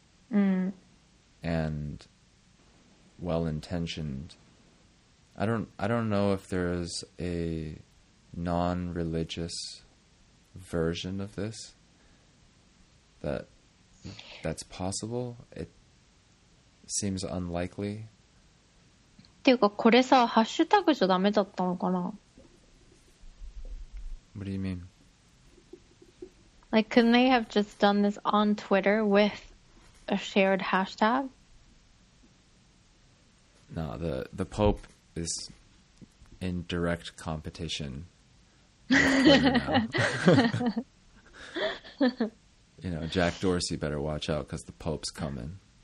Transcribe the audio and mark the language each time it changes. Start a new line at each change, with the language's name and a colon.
English: And... Well-intentioned... I don't know if there is a non-religious version of this that's possible. It seems unlikely.
Japanese: っていうかこれさ、ハッシュタグじゃダメだったのかな?
English: What do you mean? Like, couldn't they have just done this on Twitter with a shared hashtag? No, the Pope is in direct competition with Twitter now. You know, Jack Dorsey better watch out because the Pope's coming.